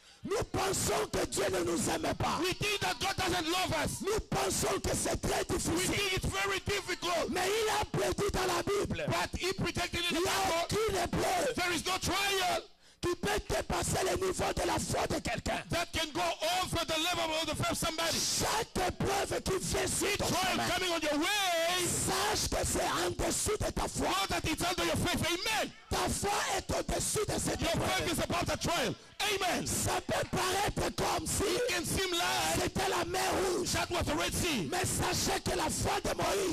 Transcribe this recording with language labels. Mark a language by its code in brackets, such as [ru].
[fr] Nous pensons que Dieu ne nous aime pas. [en] We think that God doesn't love us. [fr] Nous pensons que c'est très difficile. [en] We think it's very difficult. [fr] Mais il a prédit dans la Bible. [en] But he predicted in the Bible. [fr] Il n'y a aucune épreuve. [en] There is no trial. [fr] qui peut dépasser le niveau de la foi de quelqu'un. [en] That can go over the level of the faith of somebody. [fr] Chaque épreuve qui vient sur ton chemin, [en] coming on your way, [fr] sache que c'est en dessous de ta foi. [en] Know that it's under your faith. Amen. [fr] Ta foi est au dessus de cette épreuve. [en] Your faith is above the trial. Amen. [fr] Ça peut paraître comme si [en] it can seem like [fr] c'était la mer rouge. [en] That was the Red Sea. [fr] Mais sachez que la foi de Moïse,